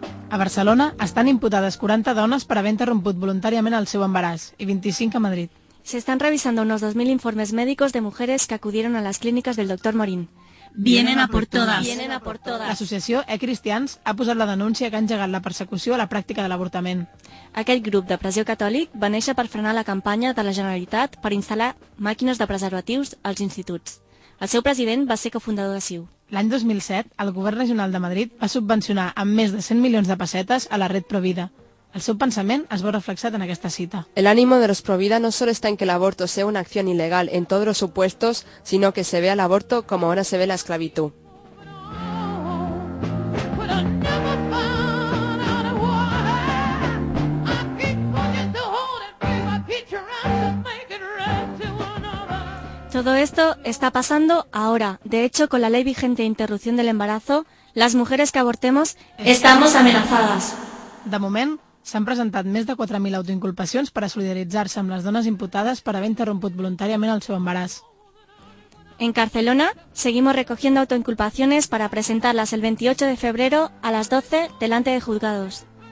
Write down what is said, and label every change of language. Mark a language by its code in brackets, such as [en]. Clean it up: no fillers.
[ca] A Barcelona estan imputades 40 dones per haver interromput voluntàriament el seu embaràs i 25 a Madrid. [es] Se están revisando unos 2.000 informes médicos de mujeres que acudieron a las clínicas del doctor Morín. Vienen a por todas. Vienen a por todas. [ca] L'associació E-Cristians ha posat la denúncia que ha engegat la persecució a la pràctica de l'avortament. Aquest grup de pressió catòlic va néixer per frenar la campanya de la Generalitat per instal·lar màquines de preservatius als instituts. El seu president va ser cofundador de CiU. L'any 2007, el govern regional de Madrid va subvencionar amb més de 100 milions de pessetes a la red Provida. El seu pensament es veu reflexat en aquesta cita. [es] El ánimo de los Provida no solo está en que el aborto sea una acción ilegal en todos los supuestos, sino que se vea el aborto como ahora se ve la esclavitud. Todo esto está pasando ahora. De hecho, con la ley vigente de interrupción del embarazo, las mujeres que abortemos estamos amenazadas. [ca] De moment, s'han presentat més de 4.000 autoinculpacions per a solidaritzar-se amb les dones imputades per haver interromput voluntàriament el seu embaràs. [es] En Barcelona, seguimos recogiendo autoinculpaciones para presentarlas el 28 de febrero a las 12 delante de juzgados.